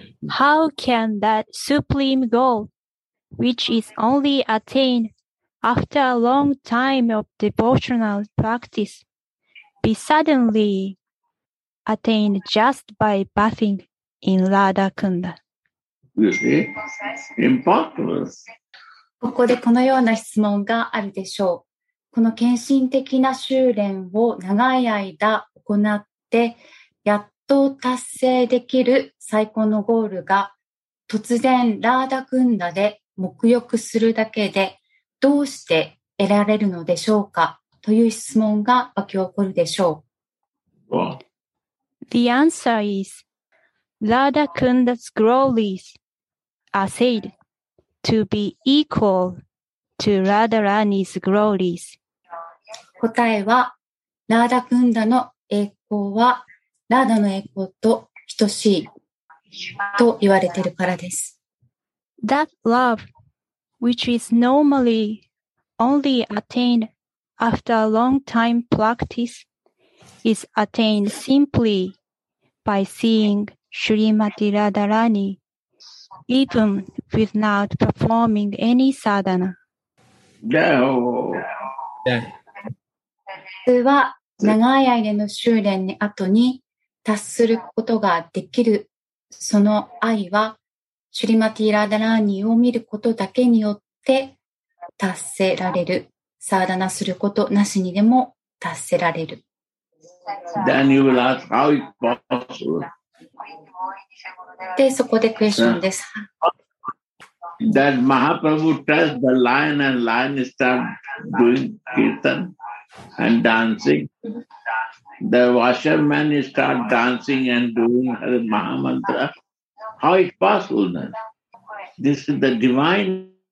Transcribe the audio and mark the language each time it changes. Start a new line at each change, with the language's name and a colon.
English: How can that supreme goal, which is only attained after a long time of devotional practice, be suddenly attained just by bathing in Radha Kunda? You see? Impossible.
Japanese: ここでこのような質問があるでしょう。この献身的な修練を長い間行って、やっと達成できる最高のゴールが、突然ラーダクンダで沐浴するだけで、どうして得られるのでしょうかという質問が起き起こるでしょう。
English: The answer is, Radha Kunda's glories are said. To be equal to Radharani's glories.
Japanese: 答えは、ラーダクンダの栄光は、ラーダの栄光と等しいと言われているからです。
English: That love, which is normally only attained after a long time practice, is attained simply by seeing Srimati Radharani. Even without performing any sadhana. No.
Japanese: それは長い間の修練に後に達することができるその愛はシュリマティ・ラダラーニを見ることだけによって達せられる。サダナすることなしにでも達せられる。
English: Then you will ask how it possible.
Japanese: で、そこでクエスチョンです。
English: That Mahaprabhu touched the lion and lion started doing kirtan and dancing. The washerman started dancing and doing Hare Mahamantra. How is it possible then? This is the divine.